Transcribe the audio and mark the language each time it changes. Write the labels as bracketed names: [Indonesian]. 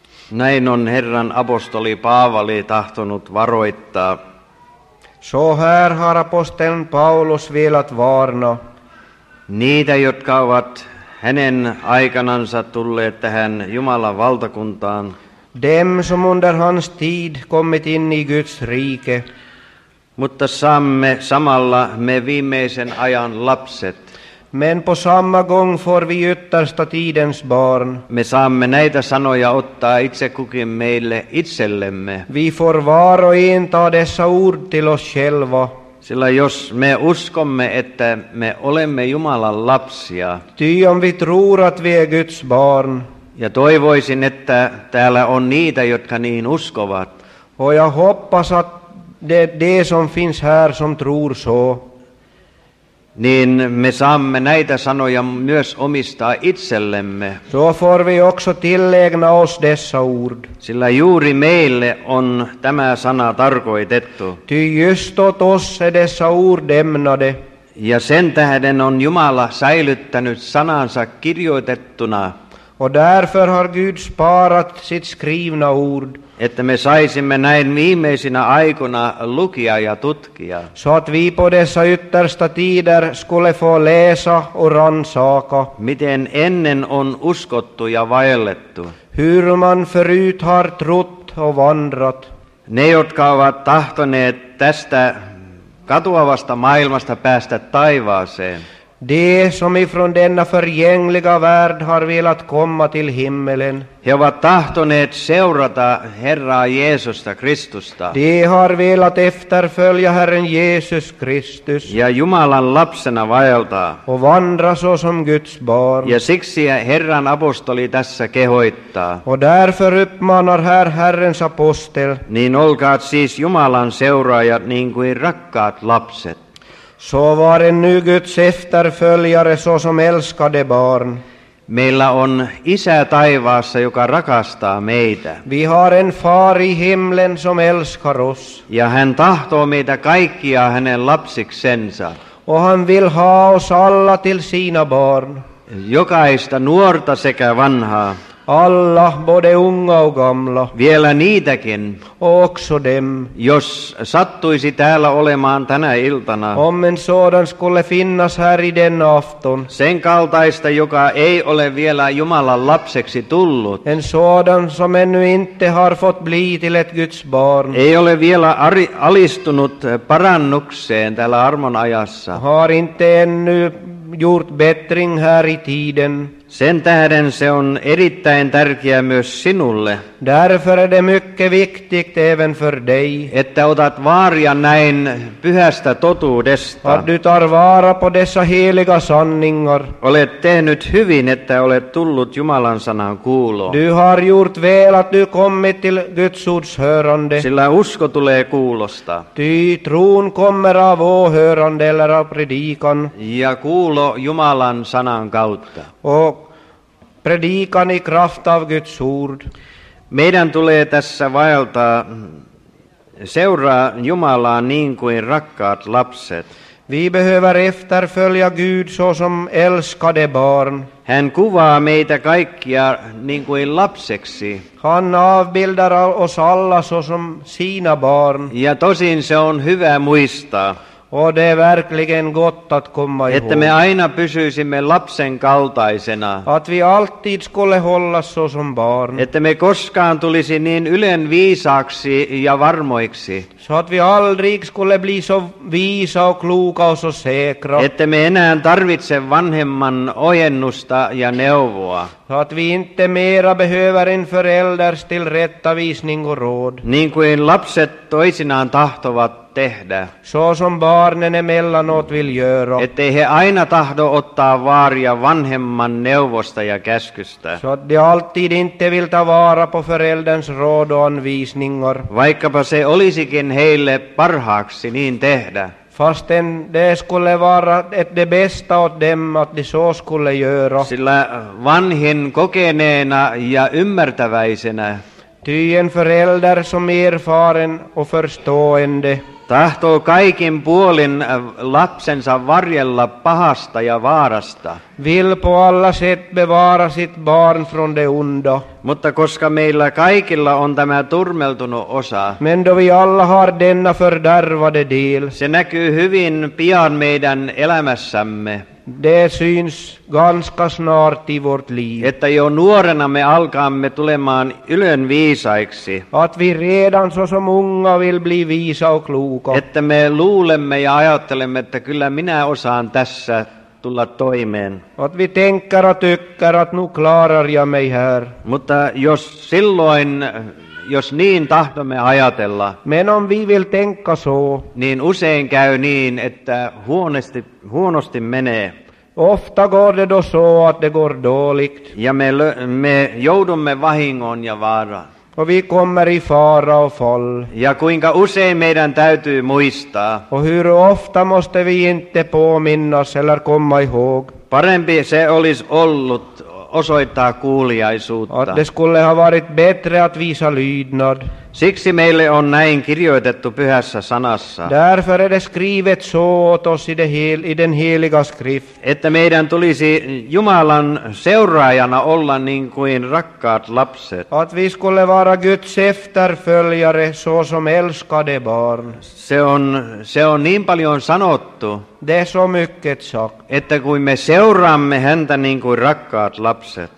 [Finnish] Näin on Herran apostoli Paavali tahtonut varoittaa. [Swedish] Så här har aposteln Paulus velat varna. [Finnish] Niitä, jotka ovat hänen aikanansa tulleet tähän Jumalan valtakuntaan. [Swedish] Dem som under hans tid kommit in i Guds rike. [Finnish] Mutta saamme samalla me viimeisen ajan lapset. [Swedish] Men på samma gång får vi yttersta tidens barn. [Finnish] Me saamme näitä sanoja ottaa itse kukin meille itsellemme. [Swedish] Vi får var och en ta dessa ord till oss själva. [Finnish] Sillä jos me uskomme, että me olemme Jumalan lapsia. [Swedish] Ty om vi tror att vi är Guds barn. [Finnish] Ja toivoisin, että täällä on niitä, jotka niin uskovat. [Swedish] Och jag hoppas att de som finns här som tror så. [Finnish] Niin me saamme näitä sanoja myös omistaa itsellemme. [Swedish] Så får vi också tillägna oss dessa ord. [Finnish] Sillä juuri meille on tämä sana tarkoitettu. [Swedish] Ty just åt oss är dessa ord ämnade. [Finnish] Ja sen tähden on Jumala säilyttänyt sanansa kirjoitettuna. [Swedish] Och därför har Gud sparat sitt skrivna ord. [Finnish] Että me saisimme näin viimeisinä aikoina lukia ja tutkia. [Swedish] Så att vi på dessa yttersta tider skulle få läsa och ransaka. [Finnish] Miten ennen on uskottu ja vaellettu. [Swedish] Hur man förut har trott och vandrat. [Finnish] Ne, jotka ovat tahtoneet tästä katoavasta maailmasta päästä taivaaseen. [Swedish] De som ifrån denna förgängliga värld har velat komma till himmelen. [Finnish] He ovat tahtoneet seurata Herraa Jeesusta Kristusta. [Swedish] De har velat efterfölja Herren Jesus Kristus. [Finnish] Ja Jumalan lapsena vaeltaa. [Swedish] Och vandra så som Guds barn. [Finnish] Ja siksi Herran apostoli tässä kehoittaa. [Swedish] Och därför uppmanar här Herrens apostel. [Finnish] Niin olkaat siis Jumalan seuraajat niin kuin rakkaat lapset. [Swedish] Så var en nu Guds efterföljare så som älskade barn. [Finnish] Meillä on isä taivaassa, joka rakastaa meitä. [Swedish] Vi har en far i himlen som älskar oss. [Finnish] Ja hän tahtoo meitä kaikkia hänen lapsiksensa. [Swedish] Och han vill ha oss alla till sina barn. [Finnish] Jokaista nuorta sekä vanhaa. [Swedish] Alla, både unga och gamla. [Finnish] Vielä niitäkin. [Swedish] Också dem. [Finnish] Jos sattuisi täällä olemaan tänä iltana. [Swedish] Om en sådan skulle finnas här i denna afton. [Finnish] Sen kaltaista, joka ei ole vielä Jumalan lapseksi tullut. [Swedish] En sådan som ännu inte har fått bli till ett Guds barn. [Finnish] Ei ole vielä alistunut parannukseen täällä armon ajassa. [Swedish] Har inte ännu gjort bättring här i tiden. [Finnish] Sen tähden se on erittäin tärkeä myös sinulle. [Swedish] Därför är det mycket viktigt även för dig. [Finnish] Että otat vaaria näin pyhästä totuudesta. [Swedish] Att du tar vara på dessa heliga sanningar. [Finnish] Olet tehnyt hyvin, että olet tullut Jumalan sanan kuuloon. [Swedish] Du har gjort väl att du kommit till Guds ords hörande. [Finnish] Sillä usko tulee kuulosta. [Swedish] Ty tron kommer av åhörande eller av predikan. [Finnish] Ja kuulo Jumalan sanan kautta. [Swedish] Och predikan i kraft av Guds ord. [Finnish] Meidän tulee tässä vaeltaa, seuraa Jumalaa niin kuin rakkaat lapset. [Swedish] Vi behöver efterfölja Gud såsom älskade barn. [Finnish] Hän kuvaa meitä kaikkia niin kuin lapseksi. [Swedish] Han avbildar oss alla såsom sina barn. [Finnish] Ja tosin se on hyvä muistaa. [Swedish] Och det är verkligen gott att komma ihåg. [Finnish] Että me aina pysyisimme lapsen kaltaisena. [Swedish] Att vi alltid skulle hålla så som barn. [Finnish] Että me koskaan tulisi niin ylen viisaaksi ja varmoiksi. [Swedish] Så att vi aldrig skulle bli så visa och kloka och så säkra. [Finnish] Että me enää tarvitse vanhemman ojennusta ja neuvoa. [Swedish] Så att vi inte mera behöver en förälders tillrättavisning och råd. [Finnish] Niin kuin lapset toisinaan tahtovat tehdä. [Swedish] Så som barnen emellanåt vill göra. [Finnish] Ettei he aina tahdo ottaa vaaria vanhemman neuvosta ja käskystä. [Swedish] Så att de alltid inte vill ta vara på förälderns råd och anvisningar. [Finnish] Vaikkapa se olisikin heille parhaaksi niin tehdä. [Swedish] Fastän det skulle vara det bästa åt dem att de så skulle göra. [Finnish] Sillä vanhin kokeneena ja ymmärtäväisenä. [Swedish] Ty en förälder som erfaren och förstående. [Finnish] Tahtoo kaikin puolin lapsensa varjella pahasta ja vaarasta. [Swedish] Vill på alla sätt bevara sitt barn från det onda. [Finnish] Mutta koska meillä kaikilla on tämä turmeltunut osa. [Swedish] Men då vi alla har denna fördärvade del. [Finnish] Se näkyy hyvin pian meidän elämässämme. [Swedish] Det syns ganska snart i vårt liv. [Finnish] Että jo nuorena me alkaamme tulemaan ylen viisaiksi. [Swedish] Att vi redan så som unga vill bli visa och kloka. [Finnish] Että me luulemme ja ajattelemme, että kyllä minä osaan tässä tulla toimeen. [Swedish] Att vi tänker och tycker att nu klarar jag mig här. [Finnish] Mutta jos silloin, jos niin tahtomme ajatella, [Swedish] men om vi vill tänka så, [Finnish] niin usein käy niin, että huonosti menee. [Swedish] Ofta går det då så att det går dåligt. [Finnish] Ja me joudumme vahingoon ja vaaraan. [Swedish] Och vi kommer i fara och fall. [Finnish] Ja kuinka usein meidän täytyy muistaa. [Swedish] Och hur ofta måste vi inte påminnas eller komma ihåg. [Finnish] Parempi se olisi ollut osoittaa kuuliaisuutta. [Swedish] Att det skulle ha varit bättre att visa lydnad. [Finnish] Siksi meille on näin kirjoitettu pyhässä sanassa. [Swedish] Därför är det skrivet så åt oss i den heliga skrift. [Finnish] Että meidän tulisi Jumalan seuraajana olla niin kuin rakkaat lapset. [Swedish] Att vi skulle vara Guds efterföljare så som älskade barn. [Finnish] Se on niin paljon sanottu. [Swedish] Det är så mycket sagt. [Finnish] Että kun me seuraamme häntä niin kuin rakkaat lapset.